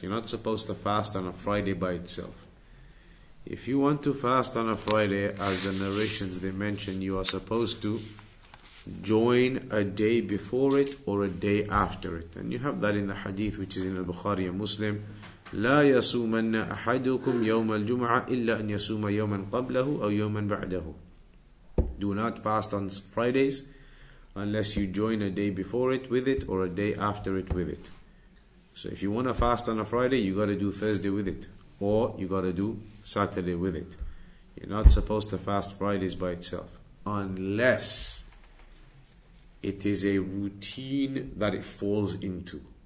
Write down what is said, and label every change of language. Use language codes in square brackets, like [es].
[en] You're not supposed to fast on a Friday by itself. If you want to fast on a Friday, as the narrations they mention, you are supposed to join a day before it or a day after it. And you have that in the hadith, which is in al-Bukhari and Muslim. [ar] لا يصومن أحدكم يوم الجمعة إلا أن يصوم يوما قبله أو يوما بعده. [en] Do not fast on Fridays unless you join a day before it with it or a day after it with it. So if you want to fast on a Friday, you got to do Thursday with it. Or you got to do Saturday with it. You're not supposed to fast Fridays by itself. Unless it is a routine that it falls into.